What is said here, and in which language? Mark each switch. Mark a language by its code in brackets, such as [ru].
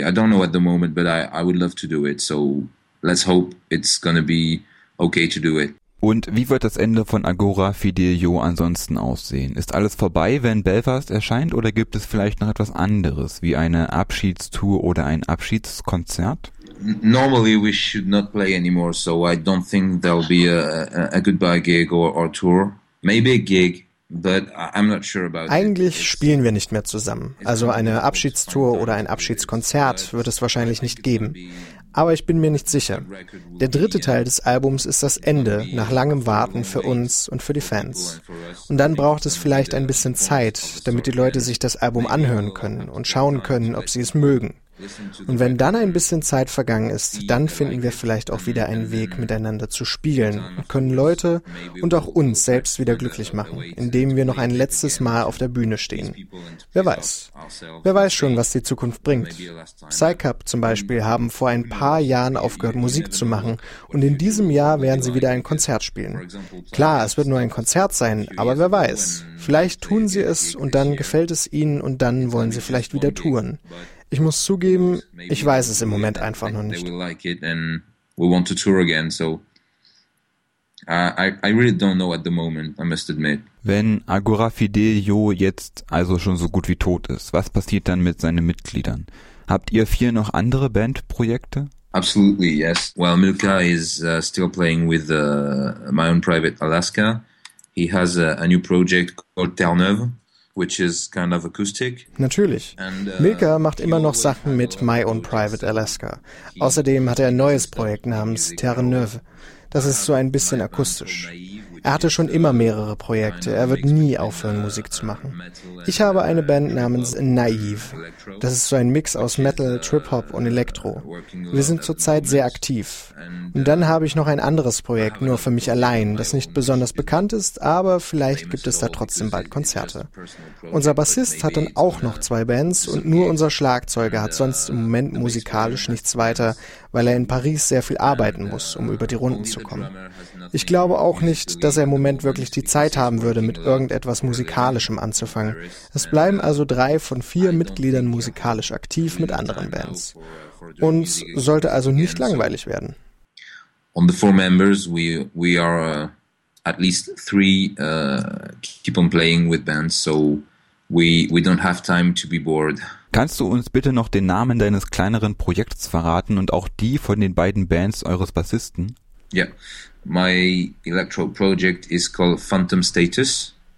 [en] I don't know at the moment, but I would love to do it. So let's hope it's gonna be okay to do it. [de] Und wie wird das Ende von Agora Fidelio ansonsten aussehen? Ist alles vorbei, wenn Belfast erscheint, oder gibt es vielleicht noch etwas anderes, wie eine Abschiedstour oder ein Abschiedskonzert? [en] Normally we should not play anymore, so I don't think there'll be a goodbye gig or tour. Maybe a gig. But I'm not sure about [de] Eigentlich spielen wir nicht mehr zusammen. Also eine Abschiedstour oder ein Abschiedskonzert wird es wahrscheinlich nicht geben. Aber ich bin mir nicht sicher. Der dritte Teil des Albums ist das Ende, nach langem Warten für uns und für die Fans. Und dann braucht es vielleicht ein bisschen Zeit, damit die Leute sich das Album anhören können und schauen können, ob sie es mögen. Und wenn dann ein bisschen Zeit vergangen ist, dann finden wir vielleicht auch wieder einen Weg, miteinander zu spielen und können Leute und auch uns selbst wieder glücklich machen, indem wir noch ein letztes Mal auf der Bühne stehen. Wer weiß? Wer weiß schon, was die Zukunft bringt? Psycup zum Beispiel haben vor ein paar Jahren aufgehört, Musik zu machen, und in diesem Jahr werden sie wieder ein Konzert spielen. Klar, es wird nur ein Konzert sein, aber wer weiß? Vielleicht tun sie es und dann gefällt es ihnen und dann wollen sie vielleicht wieder touren. Ich muss zugeben, ich weiß es im Moment einfach noch nicht. [en] They will like it and we want to tour again, so I really don't know at the moment, I must admit. [de] Wenn Agora Fidelio jetzt also schon so gut wie tot ist, was passiert dann mit seinen Mitgliedern? Habt ihr vier noch andere Bandprojekte? [en] Absolutely, yes. Well, Milka is still playing with My Own Private Alaska. He has a new project called Terre Neuve, which is kind of acoustic. [de] Natürlich. Milka macht immer noch Sachen mit My Own Private Alaska. Außerdem hat er ein neues Projekt namens Terre Neuve. Das ist so ein bisschen akustisch. Er hatte schon immer mehrere Projekte. Er wird nie aufhören, Musik zu machen. Ich habe eine Band namens Naive. Das ist so ein Mix aus Metal, Trip-Hop und Elektro. Wir sind zurzeit sehr aktiv. Und dann habe ich noch ein anderes Projekt, nur für mich allein, das nicht besonders bekannt ist, aber vielleicht gibt es da trotzdem bald Konzerte. Unser Bassist hat dann auch noch zwei Bands und nur unser Schlagzeuger hat sonst im Moment musikalisch nichts weiter, weil er in Paris sehr viel arbeiten muss, um über die Runden zu kommen. Ich glaube auch nicht, dass er im Moment wirklich die Zeit haben würde, mit irgendetwas Musikalischem anzufangen. Es bleiben also drei von vier Mitgliedern musikalisch aktiv mit anderen Bands. Uns sollte also nicht langweilig werden. [en] On the four members, we are at least three keep on playing with bands, so we don't have time to be bored. [de] Kannst du uns bitte noch den Namen deines kleineren Projekts verraten und auch die von den beiden Bands eures Bassisten? [en] Yeah, my electro project is called Phantom Status.